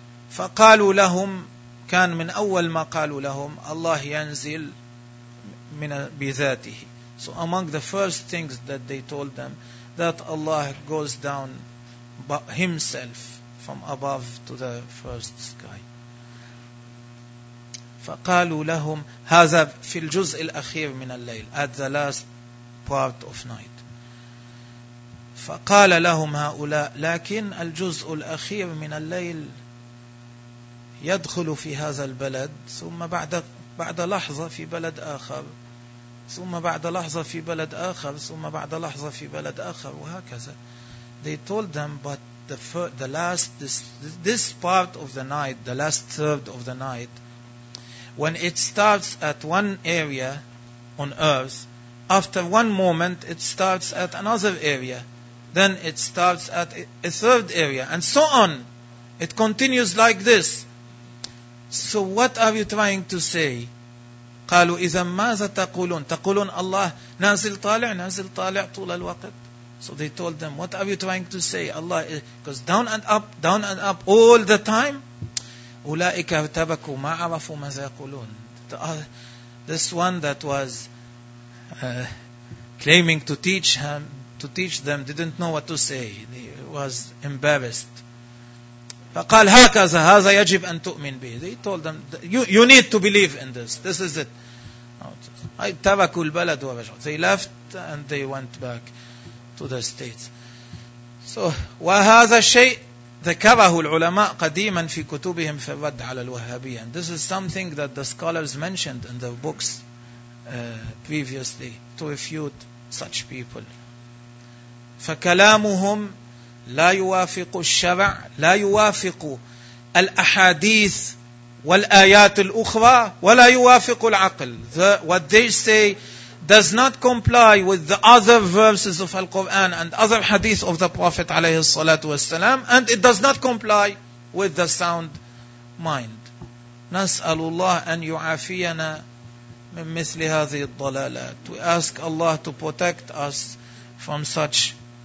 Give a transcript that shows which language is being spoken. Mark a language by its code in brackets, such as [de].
[ar] فقالوا لهم، كان من أول ما قالوا لهم الله ينزل من بذاته. [en] So among the first things that they told them that Allah goes down himself from above to the first sky. [ar] فقالوا لهم هذا في الجزء الأخير من الليل, [en] at the last part of night. [ar] فقال لهم هؤلاء لكن الجزء الأخير من الليل يدخل في هذا البلد ثم بعد لحظة في بلد آخر ثم بعد لحظة في بلد آخر ثم بعد لحظة في بلد آخر وهكذا. [en] They told them but the last this part of the night, the last third of the night, when it starts at one area on earth, after one moment it starts at another area, then it starts at a third area, and so on. It continues like this. So what are you trying to say? [ar] قالوا إذا ماذا تقولون؟ تقولون الله نازل طالع نازل طالع طول الوقت. [en] So they told them, what are you trying to say? Allah goes down and up all the time. [ar] أولئك ارتبكوا ما عرفوا ماذا يقولون. [en] This one that was claiming to teach him, to teach them, didn't know what to say. He was embarrassed. [ar] فقال هكذا هذا يجب أن تؤمن به. [en] They told them you need to believe in this. This is it. [ar] تركوا البلد ورجعوا. [en] They left and they went back to the States. [ar] So وهذا الشيء ذكره العلماء قديما في كتبهم في الرد على الوهابية. [en] And this is something that the scholars mentioned in their books previously to refute such people. [ar] فكلامهم لا يوافق الشرع، لا يوافق الأحاديث والآيات الأخرى، ولا يوافق العقل. [en] What they say does not comply with the other verses of the Quran and other hadith of the Prophet [ar] عليه الصلاة والسلام, [en] and it does not comply with the sound mind. [ar] نسأل الله أن يعافينا من مثل هذه الضلالات. [en] We ask Allah to protect us from such